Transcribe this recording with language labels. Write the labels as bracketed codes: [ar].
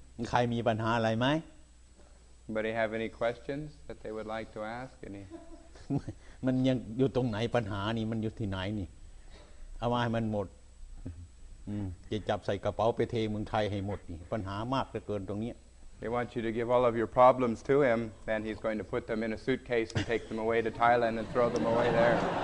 [th] ใครมีปัญหาอะไรไหม [en] Anybody have any questions that they would like to ask? Any? [th] มันยังอยู่ตรงไหนปัญหานี่มันอยู่ที่ไหนนี่เอามาให้มันหมดจะจับใส่กระเป๋าไปเทเมืองไทยให้หมดนี่ปัญหามากเกินตรงนี้ [en] They want you to give all of your problems to him, and he's going to put them in a suitcase and take them away to Thailand and throw them away there.